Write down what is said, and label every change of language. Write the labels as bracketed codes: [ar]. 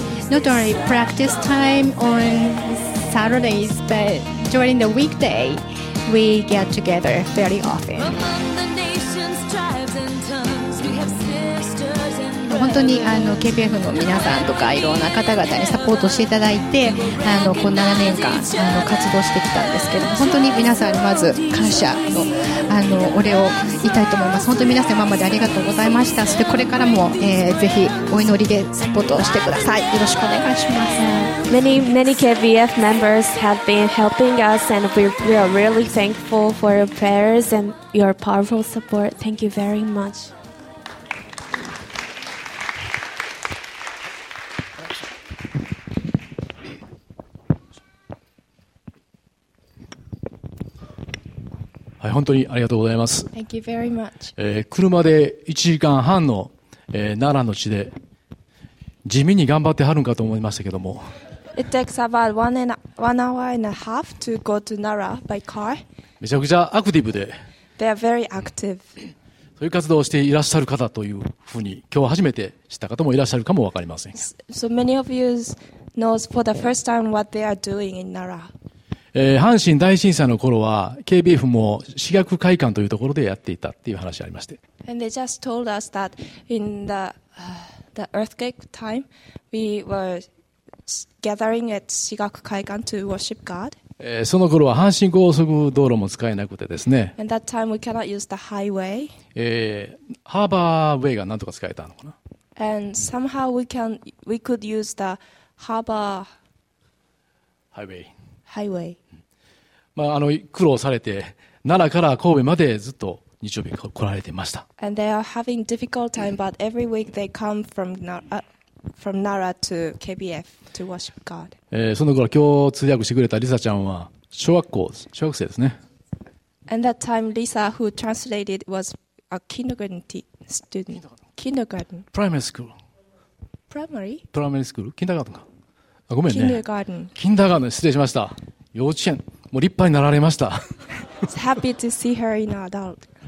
[en] not only practice time on Saturdays, but during the weekdayWe get together very often. [ja] 本当にKPF の皆さんとかいろんな方々にサポートしていただいて、この7年間活動してきたんですけど、本当に皆さんにまず感謝の、お礼を言いたいと思います。本当に皆さん今までありがとうございました。そしてこれからも、ぜひお祈りでサポートしてください。よろしくお願いします。 [en] Many, many KVF members have been helping us, and we are really thankful for your prayers and your powerful support. Thank you very much. [ja] はい、本当にありがとうございます。 [en] Thank you very much. [ja] 車で1時間半の、奈良の地で地味に頑張ってはるんかと思いましたけども。 [en] It takes about one hour and a half to go to Nara by car. [ja] めちゃくちゃアクティブで。 [en] They are very active. [ja] そういう活動をしていらっしゃる方というふうに今日は初めて知った方もいらっしゃるかもわかりません。 [en] So many of you knows for the first time what they are doing in Nara. [ja] 阪神大震災の頃は KBF も市学会館というところでやっていたっていう話がありまして。 [en] And they just told us that in the earthquake time we were. Gathering at 市学会館 to worship God. [ja] その頃は阪神高速道路も使えなくてですね。 [en] And that time we cannot use the highway. [ja] ハーバーウェイがなんとか使えたのかな。 [en] And somehow we could use the harbor highway. Highway. [ja] まあ苦労されて奈良から神戸までずっと日曜日来られていました。 [en] And they are having difficult time, but every week they come from Nara. From Nara to KBF to worship God. [ja] その頃今日通訳してくれたリサちゃんは小学生ですね。 [en] And that time Lisa who translated was a kindergarten student. Kindergarten. Primary school. Primary? Primary school? Kindergarten [ja] か。あ、ごめんね。 [en] Kindergarten. [ja] Kindergarten 失礼しました。幼稚園もう立派になられました。 [en] It's happy to see her in adult.